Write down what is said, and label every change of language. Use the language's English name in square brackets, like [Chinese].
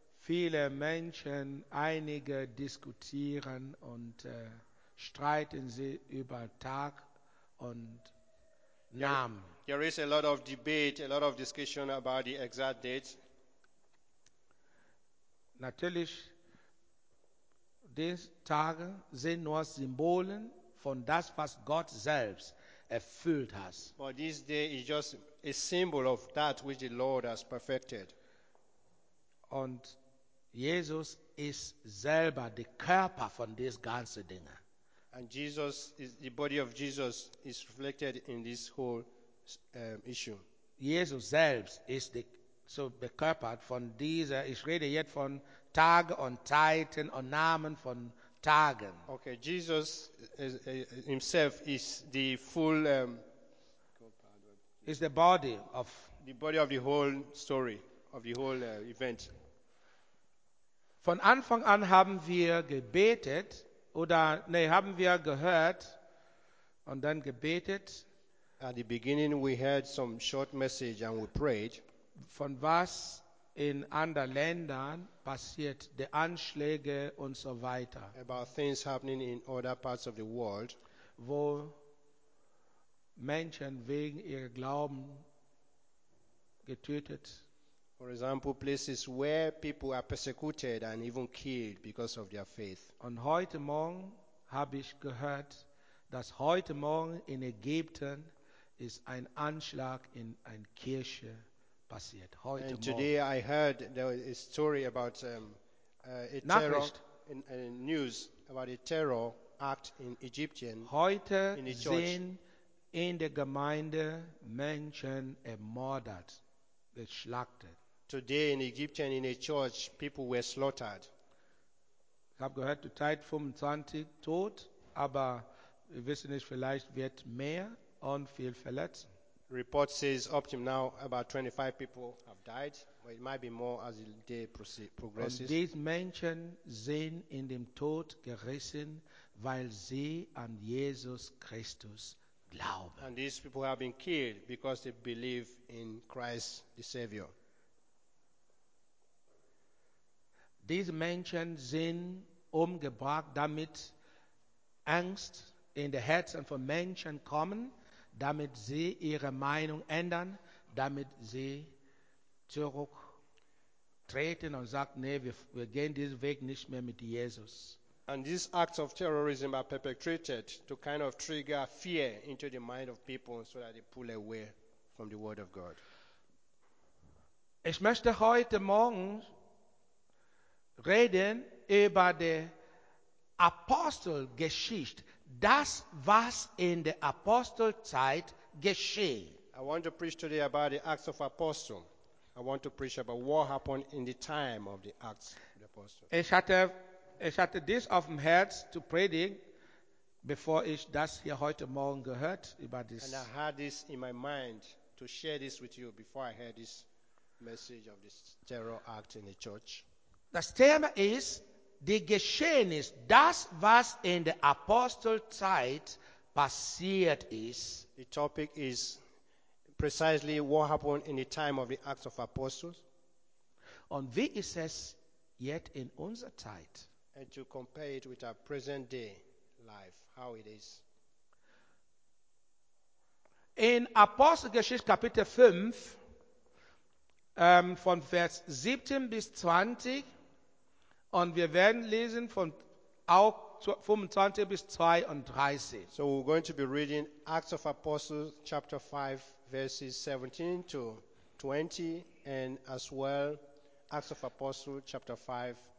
[German] Viele Menschen, einige diskutieren und streiten sie über Tag und Namen. [English] There is a lot of debate, a lot of discussion about the exact date. [German] Natürlich, diese Tage sind nur Symbole von das, was Gott selbst erfüllt hat. [English] But this day is just a symbol of that which the Lord has perfected. [German] Und Jesus ist selber der Körper von diesen ganzen Dingen. [English] And Jesus is the body of Jesus is reflected in this whole issue. [German] Jesus selbst ist so bekörpert von dieser. Ich rede jetzt von Tagen und Zeiten und Namen von Tagen. [English] Okay, Jesus himself is the full. Is the body of the body of the whole story of the whole event. [German] Von Anfang an haben wir gebetet. Haben wir gehört und dann gebetet. [English] At the beginning we heard some short message and we prayed. [German] Von was in anderen Ländern passiert, die Anschläge und so weiter. [English] About things happening in other parts of the world. [German] Wo Menschen wegen ihrem Glauben getötet. [English] For example, places where people are persecuted and even killed because of their faith. [German] Und heute Morgen habe ich gehört, dass heute Morgen in Ägypten ist ein Anschlag in eine Kirche passiert. Heute [English] and today [German] Morgen. [English] I heard there was a story about a terror in news about a terror act in Egyptian. [German] Heute in sind church. In der Gemeinde Menschen ermordet, geschlachtet. [English] Today in Egypt and in a church, people were slaughtered. [German] Ich habe gehört, die Zeit 25 tot, aber wir wissen nicht, vielleicht wird mehr und viel verletzt. [English] Report says up to now about 25 people have died, but it might be more as the day progresses. [German] Und diese Menschen sind in dem Tod gerissen, weil sie an Jesus Christus glauben. [English] And these people have been killed because they believe in Christ the Savior. [German] Diese Menschen sind umgebracht, damit Angst in die Herzen von Menschen kommen, damit sie ihre Meinung ändern, damit sie zurück treten und sagt, nee, wir gehen diesen Weg nicht mehr mit Jesus. [English] And these acts of terrorism are perpetrated to kind of trigger fear into the mind of people so that they pull away from the word of God. [German] Ich möchte heute Morgen reden über die Apostelgeschichte, das, was in der Apostelzeit geschehen. [English] I want to preach today about the Acts of Apostles. I want to preach about what happened in the time of the Acts of the Apostles. [German] Ich hatte dies auf dem Herz zu predigen, bevor ich das hier heute Morgen gehört über dies. [English] And I had this in my mind to share this with you before I heard this message of this terror act in the church. [German] Das Thema ist die Geschehnis, das was in der Apostelzeit passiert ist. [English] The topic is precisely what happened in the time of the Acts of Apostles. [German] Und wie ist es jetzt in unserer Zeit? [English] And to compare it with our present day life, how it is. [German] In Apostelgeschichte Kapitel 5, von Vers 17 bis 20, und wir werden lesen von auch 25 bis 32. [English] So we're going to be reading Acts of Apostles chapter 5, verses 17 to 20, and as well Acts of Apostles chapter 5,